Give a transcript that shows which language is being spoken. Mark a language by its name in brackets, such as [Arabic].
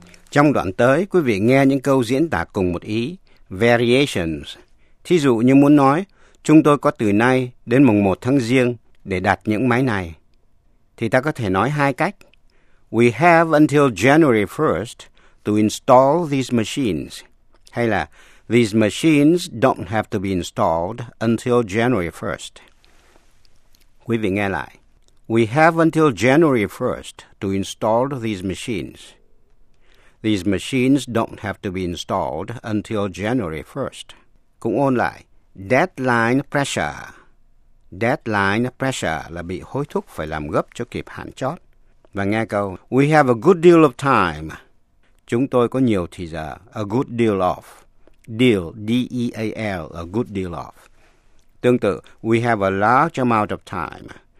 [Vietnamese] Trong đoạn tới, quý vị nghe những câu diễn tả cùng một ý, variations. Thí dụ như muốn nói, chúng tôi có từ nay đến mùng 1 tháng Giêng để đặt những máy này. Thì ta có thể nói hai cách. [English] We have until January 1st to install these machines. [Vietnamese] Hay là, [English] these machines don't have to be installed until January 1st. [Vietnamese] Quý vị nghe lại. [English] We have until January 1st to install these machines. These machines don't have to be installed until January 1st. [Vietnamese] Cũng ôn lại. Deadline pressure. Deadline pressure là bị hối thúc phải làm gấp cho kịp hạn chót. Và nghe câu, [English] we have a good deal of time. [Vietnamese] Chúng tôi có nhiều thì giờ, a good deal of. Deal, D-E-A-L, a good deal of. Tương tự, [English] we have a large amount of time.